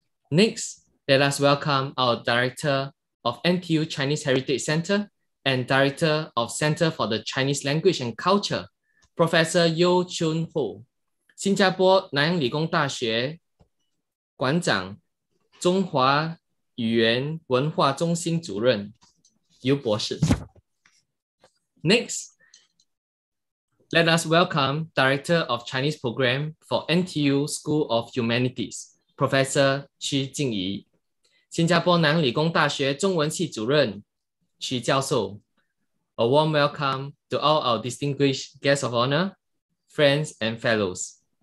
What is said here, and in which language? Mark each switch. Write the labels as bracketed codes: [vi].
[en] Next, let us welcome our Director of NTU Chinese Heritage Center and Director of Center for the Chinese Language and Culture, Professor Yeo Chun Ho. [zh] 新加坡南洋理工大学馆长、中华语言文化中心主任尤博士。 [en] Next, let us welcome Director of Chinese Program for NTU School of Humanities, Professor 屈静怡。 [zh] 新加坡南洋理工大学中文系主任屈教授。 [en] A warm welcome to all our distinguished guests of honor, friends and fellows.